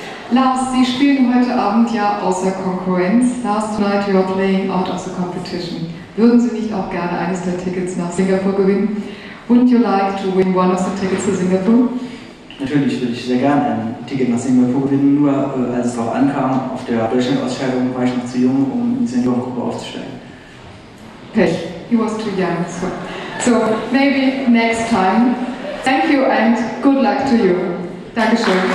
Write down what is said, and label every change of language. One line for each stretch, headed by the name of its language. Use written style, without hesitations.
German: Lars, Sie spielen heute Abend ja außer Konkurrenz.
English: Last night you are playing out of the competition.
German: Würden Sie nicht auch gerne eines der Tickets nach Singapur gewinnen?
English: Wouldn't you like to win one of the tickets to Singapore?
German: Natürlich würde ich sehr gerne ein Ticket nach Singapur gewinnen, nur als es darauf ankam, auf der Deutschland-Ausscheidung war ich noch zu jung, um in die Seniorengruppe aufzusteigen.
English: Pech, he was too young. So, maybe next time. Thank you and good luck to you.
German: Dankeschön.